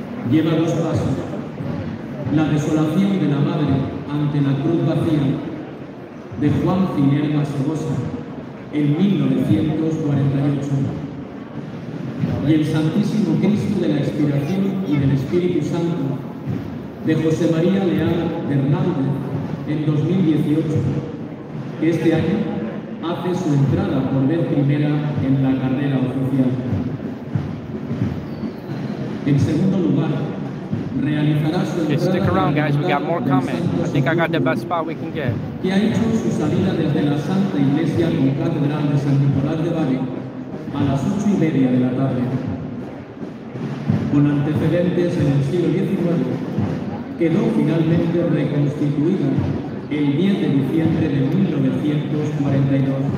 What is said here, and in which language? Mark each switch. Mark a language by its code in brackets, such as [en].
[es] Lleva dos pasos: la desolación de la madre ante la cruz vacía de Juan Cinerva Sebosa en 1948, y el Santísimo Cristo de la Expiración y del Espíritu Santo de José María Leal Hernández en 2018, que este año hace su entrada por vez primera en la carrera oficial. En segundo lugar, realizará su entrada. [en] Stick around, guys, we got more coming. I think I got the best spot we can get. [es] Que ha hecho su salida desde la Santa Iglesia con Catedral de San Nicolás de Bari a las 8:30 de la tarde, con antecedentes en el siglo XIX, quedó finalmente reconstituida el 10 de diciembre de 1942.